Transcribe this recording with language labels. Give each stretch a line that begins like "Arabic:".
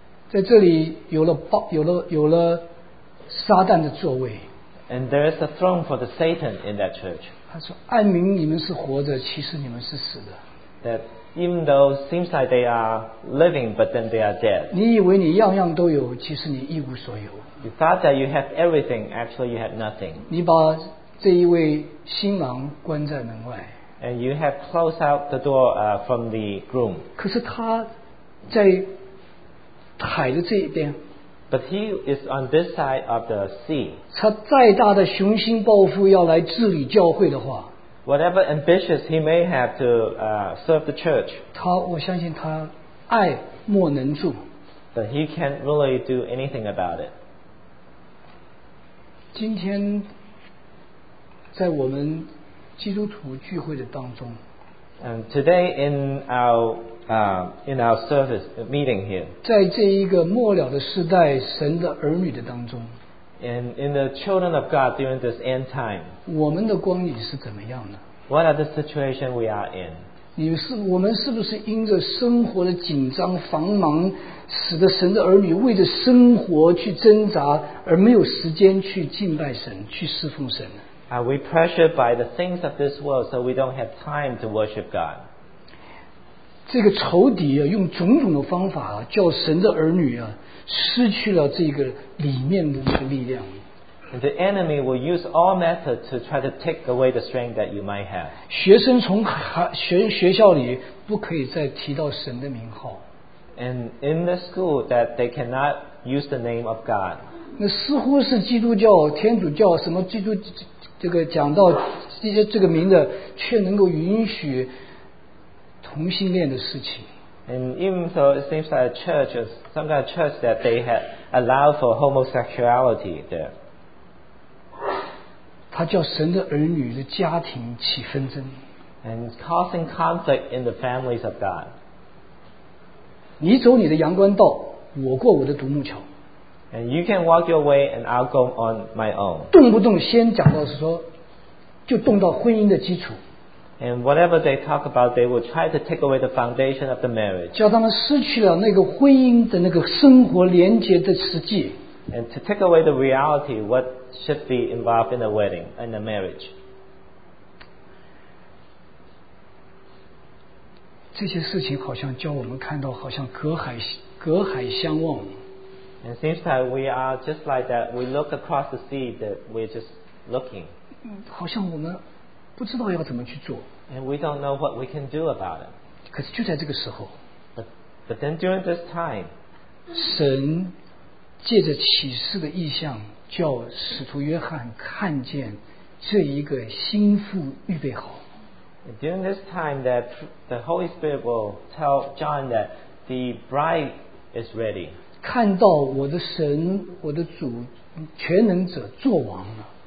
Chinese: 在这里有了巴有了有了撒旦的座位。
English: And there is a throne for the Satan in that church.
Chinese: 他说：“按明你们是活着，其实你们是死的。”
English: That even though it seems like they are living, but then they are dead.
Chinese: 你以为你样样都有，其实你一无所有。
English: You thought that you have everything, actually you have nothing.
Chinese: 你把这一位新郎关在门外。
English: And you have closed out the door from the groom.
Chinese: 可是他在海的这一边，
English: but he is on this side of the sea.
Chinese: 他再大的雄心抱负要来治理教会的话，
English: whatever ambitious he may have to serve the church,
Chinese: 他我相信他爱莫能助，
English: but he can't really do anything about it.
Chinese: 今天在我们基督徒聚会的当中，
English: and today in ourin our service meeting here,
Chinese: 在这一个末了的时代，神的儿女的当中，
English: and in the children of God during this end time,
Chinese: 我们的光景是怎么样的？
English: What are the situation we are in?
Chinese: 你是我们是不是因着生活的紧张繁忙，使得神的儿女为着生活去挣扎，而没有时间去敬拜神，去侍奉神？
English: Are we pressured by the things of this world so we don't have time to worship God?
Chinese: 这个仇敌啊，用种种的方法啊，叫神的儿女啊，失去了这个里面的一个力量。
English: And the enemy will use all methods to try to take away the strength that you might have.
Chinese: 学生从学校里不可以再提到神的名号。
English: And in the school that they cannot use the name of God.
Chinese: 那似乎是基督教、天主教什么基督这个讲到这些这个名的，却能够允许。同性恋的事情。
English: And even so, it seems like a church, some kind of church that they had allowed for homosexuality there.
Chinese: 他叫神的儿女的家庭起纷争。
English: And causing conflict in the families of God.
Chinese: 你走你的阳关道，我过我的独木桥。
English: And you can walk your way and I'll go on my own.
Chinese: 动不动先讲到是说，就动到婚姻的基础。
English: And whatever they talk about, they will try to take away the foundation of the marriage.
Chinese: 叫他们失去了那个婚姻的那个生活连结的实际。
English: And to take away the reality, what should be involved in a wedding, in a marriage.
Chinese: 这些事情好像叫我们看到，好像隔海相望。
English: And it seems like we are just like that. We look across the sea that we're just looking.
Chinese: 好像我们不知道要怎么去做。
English: And we don't know what we can do about it.
Chinese: 可是就在这个时候，
English: but then during this time,
Chinese: 神借着启示的意象叫使徒约翰看见这一个心腹预备好。
English: During this time that the Holy Spirit will tell John that the bride is ready.
Chinese: 看到我的神，我的主，全能者作王了。